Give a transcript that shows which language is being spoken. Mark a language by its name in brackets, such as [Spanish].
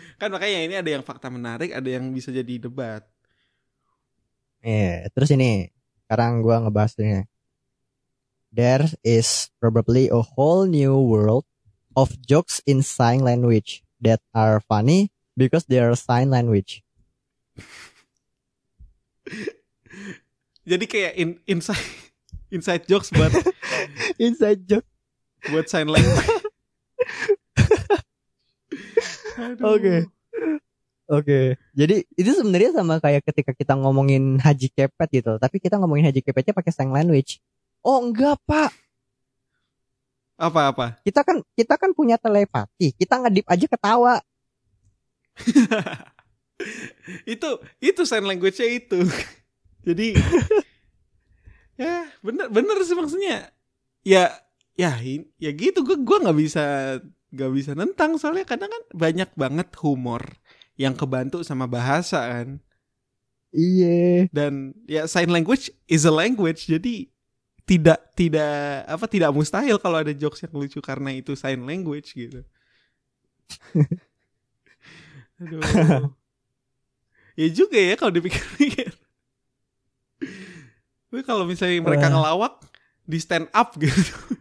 [Indonesian] Kan makanya ini ada yang fakta menarik. Ada yang bisa jadi debat. Yeah, terus ini, sekarang gue ngebahasnya. [English] There is probably a whole new world of jokes in sign language that are funny because they are sign language. [Indonesian] Jadi kayak inside jokes buat [English] inside joke [Indonesian] buat sign language. Okay. Jadi itu sebenarnya sama kayak ketika kita ngomongin Haji Kepet gitu, tapi kita ngomongin Haji Kepetnya pakai sign language. Oh enggak Pak. Apa-apa? Kita kan punya telepati. Kita ngedip aja ketawa. itu sign language-nya itu. Jadi ya bener sih maksudnya. Ya gitu. Gue nggak bisa nentang soalnya karena kan banyak banget humor yang kebantu sama bahasa kan. Iya. Dan ya [English] sign language is a language. [Indonesian] Jadi tidak mustahil kalau ada jokes yang lucu karena itu sign language gitu. Aduh. Ya juga ya kalau dipikir-pikir. Tapi kalau misalnya mereka ngelawak di stand up gitu.